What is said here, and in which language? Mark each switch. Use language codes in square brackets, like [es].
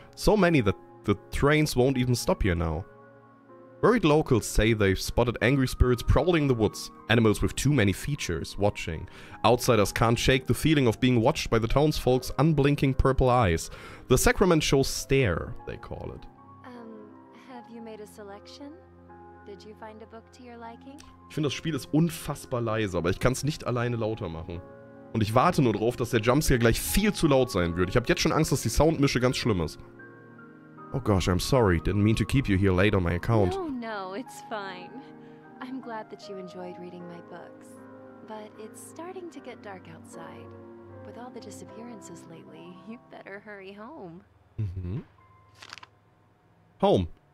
[en] So many that the trains won't even stop here now. Worried locals say they've spotted angry spirits prowling the woods, animals with too many features, watching. Outsiders can't shake the feeling of being watched by the townsfolk's unblinking purple eyes. The Sacramento stare, they call it. Have you made a selection? Did you find a book to your liking? [de] Ich finde, das Spiel ist unfassbar leise, aber ich kann es nicht alleine lauter machen. Und ich warte nur darauf, dass der Jumpscare gleich viel zu laut sein wird. Ich habe jetzt schon Angst, dass die Soundmische ganz schlimm ist. [en] Oh gosh, I'm sorry. Didn't mean to keep you here late on my account. No, it's fine. I'm glad that you enjoyed reading my books. But it's starting to get dark outside. With all the disappearances lately, you better hurry home. Mhm. Home.